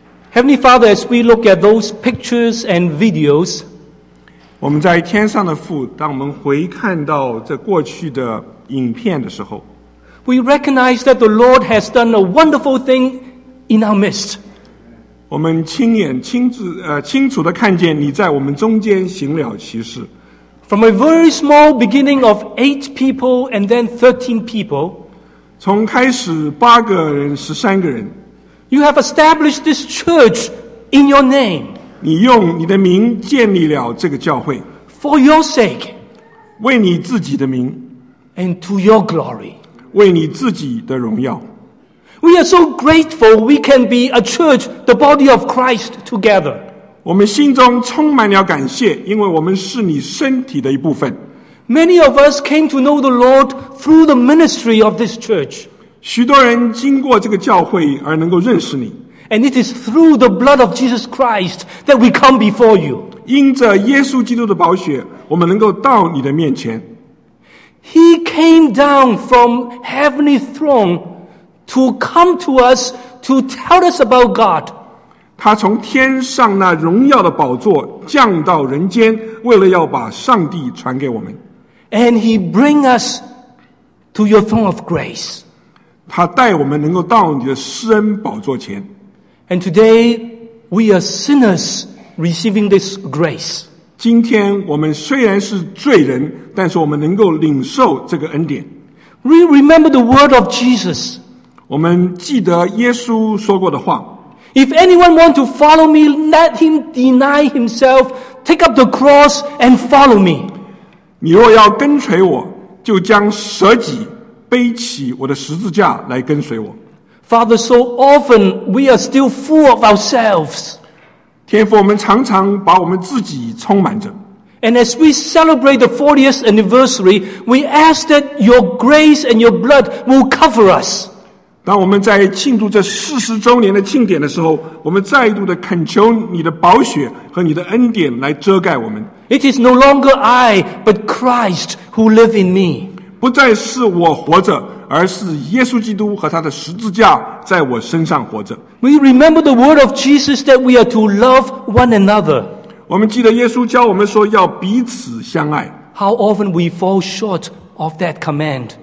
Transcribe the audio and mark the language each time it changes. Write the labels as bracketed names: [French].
[English] Heavenly Father, as we look at those pictures and videos, [Chinese] 我们在天上的父，当我们回看到这过去的影片的时候， [English] we recognize that the Lord has done a wonderful thing in our midst. [Chinese] 我们亲眼清楚地看见你在我们中间行了奇事。 [English] From a very small beginning of 8 people and then 13 people, [Chinese] 从开始八个人，十三个人， [English] you have established this church in your name. [Chinese] 你用你的名建立了这个教会。 [English] For your sake, [Chinese] 为你自己的名， [English] and to your glory, [Chinese] 为你自己的荣耀。 [English] We are so grateful we can be a church, the body of Christ together. [Chinese] 我们心中充满了感谢，因为我们是你身体的一部分。 [English] Many of us came to know the Lord through the ministry of this church. [Chinese] 许多人经过这个教会而能够认识你。 [English] And it is through the blood of Jesus Christ that we come before you. [Chinese] 因着耶稣基督的宝血，我们能够到你的面前。 [English] He came down from heavenly throne to come to us to tell us about God. [Chinese] 他从天上那荣耀的宝座降到人间，为了要把上帝传给我们。 [English] And he bring us to your throne of grace. [Chinese] 他带我们能够到你的施恩宝座前。 [English] And today we are sinners receiving this grace. [Chinese] 今天我们虽然是罪人，但是我们能够领受这个恩典。 [English] We remember the word of Jesus. [Chinese] 我们记得耶稣说过的话。 [English] If anyone wants to follow me, let him deny himself, take up the cross and follow me. [Chinese] 你若要跟随我，就将舍己，背起我的十字架来跟随我。 [English] Father, so often we are still full of ourselves. [Chinese] 天父，我们常常把我们自己充满着。 [English] And as we celebrate the 40th anniversary, we ask that your grace and your blood will cover us. [Chinese] 当我们在庆祝这四十周年的庆典的时候，我们再度的恳求你的宝血和你的恩典来遮盖我们。 [English] It is no longer I, but Christ who live in me. [Chinese] 不再是我活着，而是耶稣基督和他的十字架在我身上活着。 [English] We remember the word of Jesus that we are to love one another. [Chinese] 我们记得耶稣教我们说要彼此相爱。 [English] How often we fall short of that command.